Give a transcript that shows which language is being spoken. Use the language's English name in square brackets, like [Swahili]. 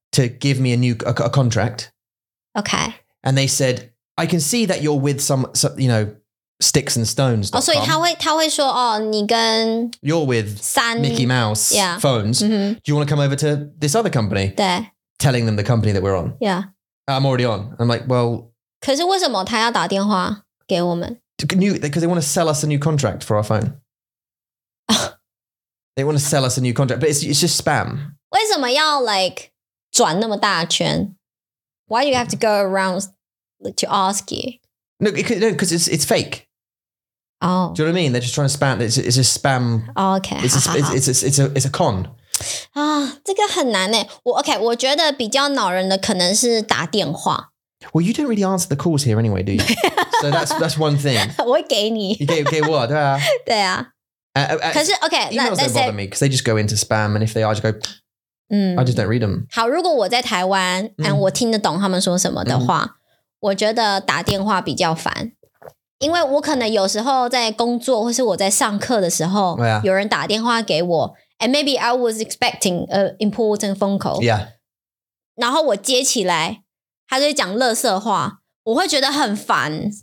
[English] To give me a new contract. Okay. And they said, I can see that you're with some, you know, sticksandstones.com. [Chinese] 哦，所以他会说，哦，你跟 [English] You're with Mickey Mouse yeah. phones. Mm-hmm. Do you want to come over to this other company? [Chinese] 对。 [English] Telling them the company that we're on. Yeah. I'm already on. I'm like, well, [Chinese] 可是为什么他要打电话给我们? [English] Because they want to sell us a new contract for our phone. They want to sell us a new contract, but it's just spam. [Chinese] 为什么要 like 转那么大圈? [English] Why do you have to go around to ask you? No, because it's fake. Oh. Do you know what I mean? They're just trying to spam. It's just spam. Oh, okay. It's a con. [Chinese] 啊，这个很难欸。我觉得比较恼人的可能是打电话。 [English] Well, you don't really answer the calls here anyway, do you? So that's one thing. [Chinese] 我会给你。 [English] You gave what? 对啊。 [Chinese] 对啊。可是 OK, [English] emails don't bother me because they just go into spam and if they are, I just go, I just don't read them. [Chinese] 好，如果我在台湾， and 我听得懂他们说什么的话，我觉得打电话比较烦。因为我可能有时候在工作或是我在上课的时候， [English] 有人打电话给我 and maybe I was expecting an important phone call. Yeah. [Chinese] 然后我接起来他就讲垃圾话，我会觉得很烦。